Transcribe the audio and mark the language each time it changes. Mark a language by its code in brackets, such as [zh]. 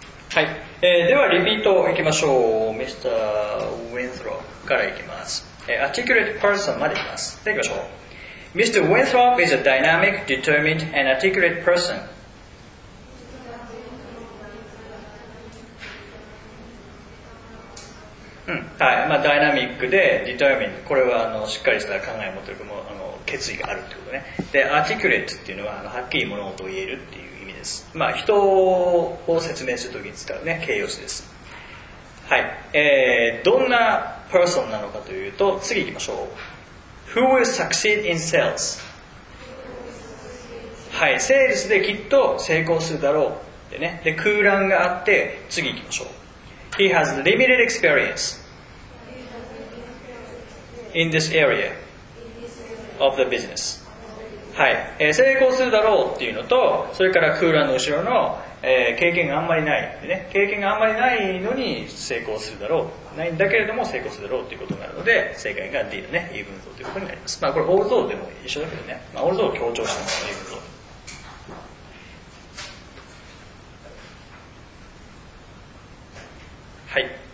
[ja] はい、ではリピートいきましょう。ミスター・ウィンスローからいきます。 Articulate person までいきます。で、いきましょう。Mr. [en] Winthrop is a dynamic, determined, and articulate person. [ja] うん。はい。まあ、ダイナミックで、determined。これは、しっかりした考えを持っている、もう、決意があるということね。で、articulate っていうのは、はっきり物事を言えるっていう意味です。まあ、人を説明するときに使うね、形容詞です。はい。どんな、パーソンなのかというと、次行きましょう。 [en] Who will succeed in sales? [ja] はい、セールスできっと成功するだろう。でね、で、空欄があって、次行きましょう。 [en] He has limited experience in this area of the business. [ja] はい、成功するだろうっていうのと、それから空欄の後ろの、経験があんまりないでね、経験があんまりないのに成功するだろう、ないんだけれども成功するだろうということになるので、正解が D のね、イーブンゾーということになります。まあこれオールゾーでも一緒だけどね、まあ、オールゾーを強調してますね、イーブンゾー。はい、